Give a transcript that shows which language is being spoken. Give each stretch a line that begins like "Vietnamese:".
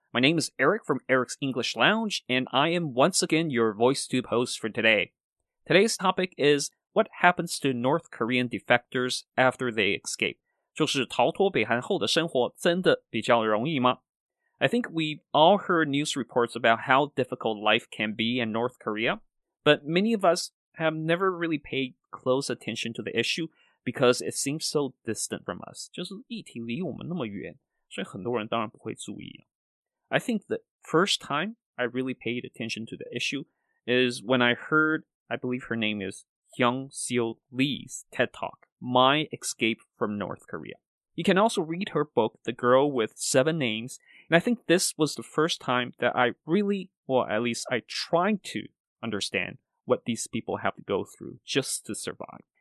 English: My name is Eric from Eric's English Lounge, and I am once again your VoiceTube host for today. Today's topic is what happens to North Korean defectors after they escape?
Chinese: 就是逃脱北韩后的生活真的比较容易吗？
English: I think we've all heard news reports about how difficult life can be in North Korea, but many of us have never really paid close attention to the issue because it seems so distant from us.
Chinese: 就是议题离我们那么远，所以很多人当然不会注意。
English: I think the first time I really paid attention to the issue is when I heard, I believe her name is Hyung Seo Lee's TED Talk, My Escape from North Korea. You can also read her book, The Girl with Seven Names, and I think this was the first time that I really, well, at least I tried to understand what these people have to go through just to survive.